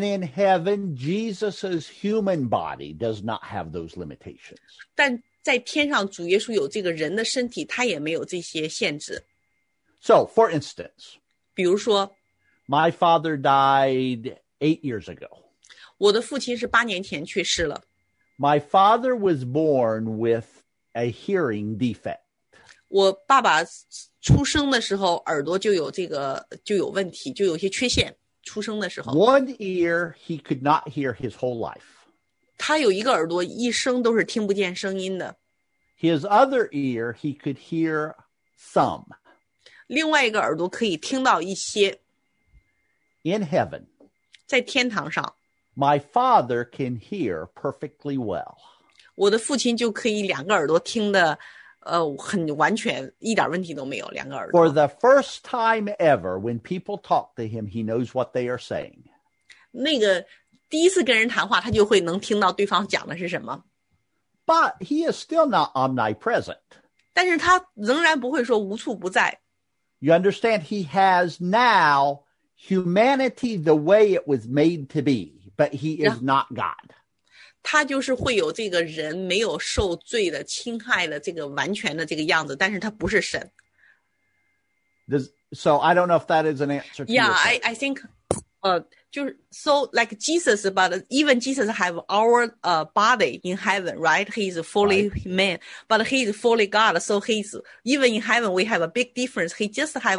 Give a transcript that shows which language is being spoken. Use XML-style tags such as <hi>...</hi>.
<en>And in heaven, Jesus's human body does not have those limitations.</en> <zh>但在天上，主耶稣有这个人的身体，他也没有这些限制。</zh> <en>So, for instance,</en> <zh>比如说</zh> <en>my father died 8 years ago.</en> <zh>我的父亲是八年前去世了。</zh> <en>My father was born with a hearing defect.</en> <zh>我爸爸出生的时候耳朵就有这个就有问题就有些缺陷出生的时候。</zh> <en>One ear he could not hear his whole life.</en> <zh>他有一个耳朵一生都是听不见声音的。</zh> <en>His other ear he could hear some.</en> <zh>另外一个耳朵可以听到一些。</zh> <en>In heaven.</en> <zh>在天堂上。</zh> <en>My father can hear perfectly well.</en> <zh>我的父亲就可以两个耳朵听得很完全一点问题都没有两个耳朵。</zh> <en>For the first time ever, when people talk to him, he knows what they are saying.</en> <zh>那个第一次跟人谈话他就会能听到对方讲的是什么。</zh> <en>But he is still not omnipresent.</en> <zh>但是他仍然不会说无处不在。</zh> <en>You understand he has now humanity the way it was made to be. But he is not God.</en> <zh>他就是会有这个人没有受罪的侵害的这个完全的这个样子，但是他不是神。</zh> <en>So I don't know if that is an answer to yeah, I think, 就是 so like Jesus, but even Jesus have our body in heaven, right? He is fully right. man, but he is fully God. So he's even in heaven, we have a big difference. He just have</en>